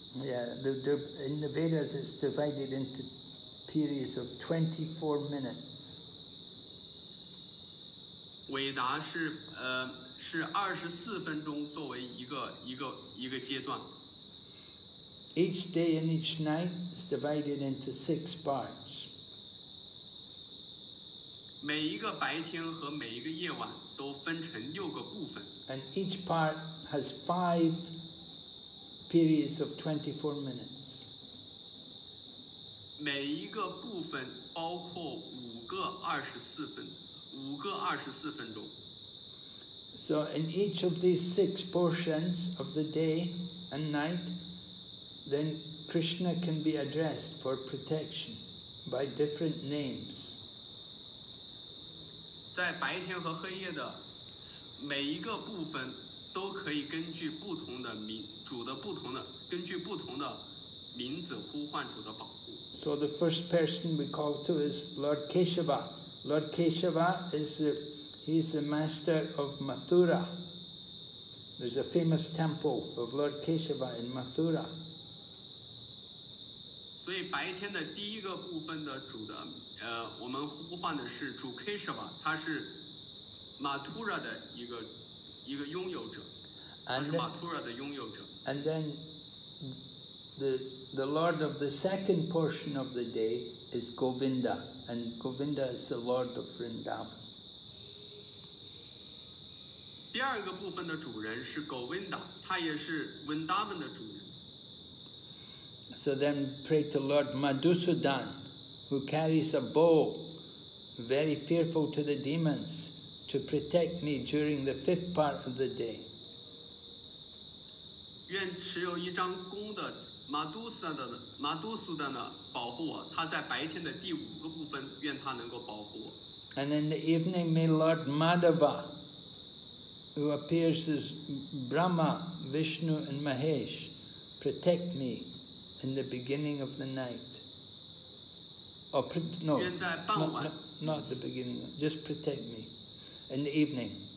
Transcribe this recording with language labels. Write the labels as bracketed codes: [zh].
[en] Yeah, the in the Vedas it's divided into periods of 24 minutes. [zh] 伟达是是24分钟作为一个阶段。 [en] Each day and each night is divided into 6 parts. [zh] 每一个白天和每一个夜晚都分成六个部分。 [en] And each part has 5 periods of 24 minutes. [zh] 每一个部分包括五个二十四分钟。 [en] So in each of these 6 portions of the day and night, then Krishna can be addressed for protection by different names. [zh] 在白天和黑夜的每一个部分都可以根据不同的名主的不同的根据不同的名字呼唤主的保护。 [en] So the first person we call to is Lord Keshava. Lord Keshava is he's the master of Mathura. There's a famous temple of Lord Keshava in Mathura. [zh] 所以白天的第一个部分的主的我们呼唤的是主 Keshava, 他是 Mathura 的一个拥有者，他是 Mathura 的拥有者。 [en] And then the Lord of the second portion of the day is Govinda, and Govinda is the Lord of Vrindavan. [zh] 第二个部分的主人是 Govinda, 他也是 Vrindavan 的主人。 [en] So then pray to Lord Madhusudan. Who carries a bow, very fearful to the demons, to protect me during the fifth part of the day. [zh] 愿持有一张弓的马杜苏的呢保护我。他在白天的第五个部分，愿他能够保护我。 [en] And in the evening, may Lord Madhava, who appears as Brahma, Vishnu, and Mahesh, protect me in the beginning of the night. Not the beginning. Just protect me in the evening.